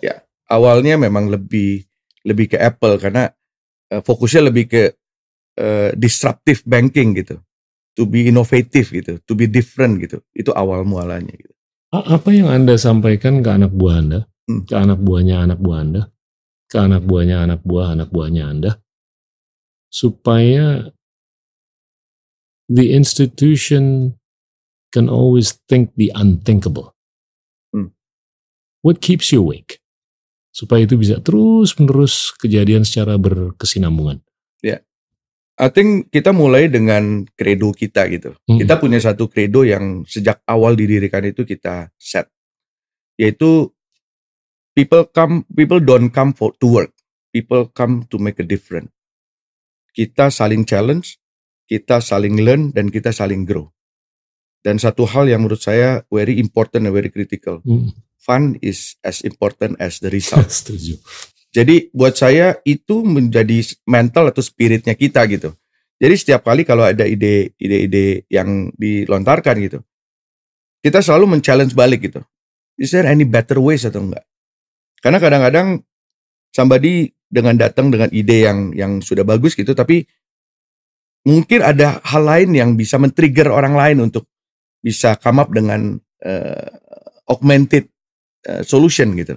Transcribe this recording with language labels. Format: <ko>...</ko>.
<id>Ya, awalnya memang lebih ke Apple karena fokusnya lebih ke disruptive banking gitu.</id> <en>To be innovative gitu, to be different gitu.</en> <id>Itu awal mualanya gitu. Apa yang Anda sampaikan ke anak buah Anda? Ke anak buahnya anak buah Anda? Ke anak buahnya anak buahnya Anda? Supaya</id> <en>the institution can always think the unthinkable. What keeps you awake?</en> <id>Supaya itu bisa terus menerus kejadian secara berkesinambungan. Yeah.</id> <en>I think</en> <id>kita mulai dengan credo kita gitu. Mm-hmm. Kita punya satu credo yang sejak awal didirikan itu kita set. Yaitu</id> <en>people don't come for to work. People come to make a difference.</en> <id>Kita saling challenge, kita saling learn, dan kita saling grow. Dan satu hal yang menurut saya</id> <en>very important and very critical. Fun is as important as the result.</en> <id>Setuju. Jadi buat saya itu menjadi mental atau spiritnya kita gitu. Jadi setiap kali kalau ada ide-ide yang dilontarkan gitu, kita selalu men-challenge balik gitu.</id> <en>Is there any better ways</en> <id>atau enggak? Karena kadang-kadang somebody dengan datang dengan ide yang sudah bagus gitu, tapi mungkin ada hal lain yang bisa men-trigger orang lain untuk bisa</id> <en>come up</en> <id>dengan augmented solution gitu.</id>